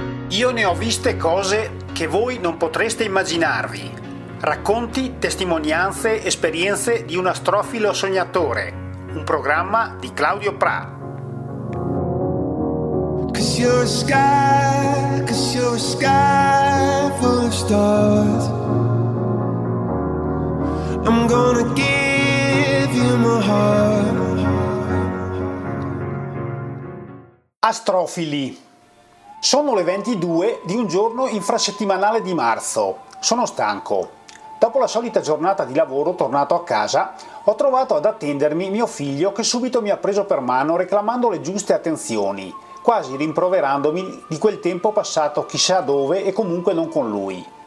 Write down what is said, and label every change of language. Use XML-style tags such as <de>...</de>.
<it>Io ne ho viste cose che voi non potreste immaginarvi. Racconti, testimonianze, esperienze di un astrofilo sognatore. Un programma di Claudio Pra.</it> <en>Cause you're a sky, cause you're a sky full of stars. I'm gonna give you my heart.</en> <it>Astrofili. Sono le 22 di un giorno infrasettimanale di marzo. Sono stanco. Dopo la solita giornata di lavoro, tornato a casa, ho trovato ad attendermi mio figlio che subito mi ha preso per mano reclamando le giuste attenzioni, quasi rimproverandomi di quel tempo passato chissà dove e comunque non con lui.</it>